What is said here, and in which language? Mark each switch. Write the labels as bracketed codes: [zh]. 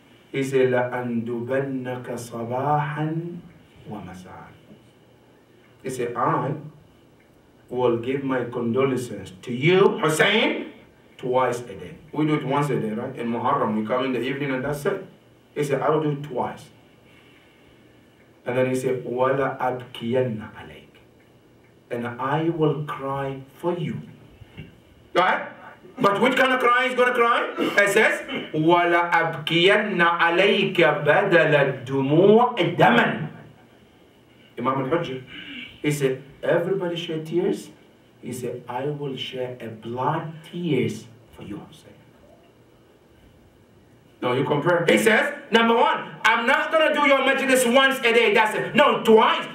[en] He said, [ar] لَأَنْدُبَنَّكَ صَبَاحًا وَمَسَاءً. [en] He said, I will give my condolences to you, Hussein, twice a day. We do it once a day, right? In Muharram, we come in the evening and that's it. He said, I will do it twice. And then he said, [ar] وَلَأَبْكِيَنَّ عَلَيْكَ. [en] And I will cry for you. Right? But which kind of crying is going to cry? He says, [ar] وَلَا أَبْكِيَنَّ عَلَيْكَ بَدَلَ الدُّمُوعِ دَمًا. [en] Imam al-Hujjah, he said, everybody shed tears. He said, I will share a blood tears for you, Hussein. No, you compare. He says, number one, I'm not going to do your majlis once a day. That's it. No, twice.